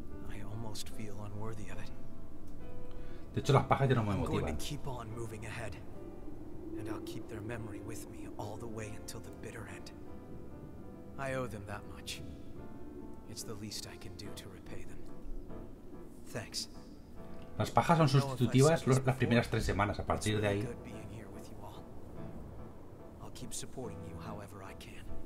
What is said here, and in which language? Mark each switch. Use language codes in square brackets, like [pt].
[en] I almost feel unworthy of it. [es] De hecho, las pajas ya no me motivan. [en] I'm going to keep on moving ahead, and I'll keep their memory with me all the way until the bitter end. I owe them that much. It's the least I can do to repay them. Thanks. [es] Las pajas son sustitutivas las primeras tres semanas. A partir de ahí. [en] It's good being here with you all. I'll keep supporting you however I can.